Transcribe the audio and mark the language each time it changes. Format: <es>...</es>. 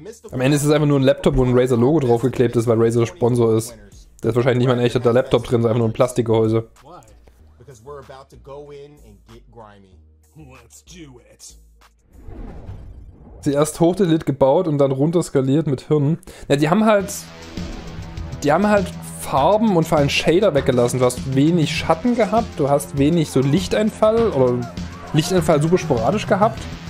<de>Am Ende ist es einfach nur ein Laptop, wo ein Razer-Logo draufgeklebt ist, weil Razer Sponsor ist. Da ist wahrscheinlich nicht mal ein echter Laptop drin, sondern einfach nur ein Plastikgehäuse.</de> <en>Because we're about to go in and get grimy. Let's do it.</en> <de>Sie erst hochdelit gebaut und dann runterskaliert mit Hirn. Ja, die haben halt Farben und vor allem Shader weggelassen. Du hast wenig Schatten gehabt, du hast wenig so Lichteinfall super sporadisch gehabt.</de>